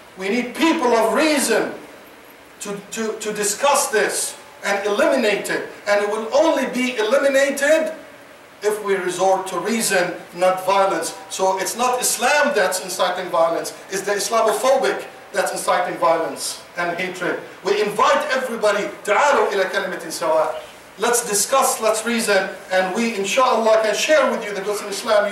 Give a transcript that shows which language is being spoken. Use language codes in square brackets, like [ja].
[en] We need people of reason to discuss this and eliminate it. And it will only be eliminated if we resort to reason, not violence. So it's not Islam that's inciting violence, it's the Islamophobic that's inciting violence and hatred. We invite everybody, [ar] تعالوا إلى كلمة سواء. [en] Let's discuss, let's reason, and we inshallah can share with you the goods of Islam.